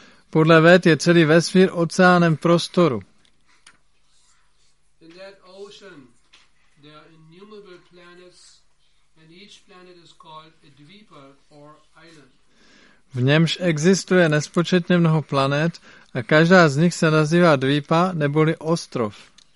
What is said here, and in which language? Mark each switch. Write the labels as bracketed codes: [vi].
[cs] Podle Ved je celý vesmír oceánem prostoru. [en] In that ocean, there are innumerable planets, and each planet is called a dvipa or island. [cs] V němž existuje nespočetně mnoho planet a každá z nich se nazývá dvipa neboli ostrov.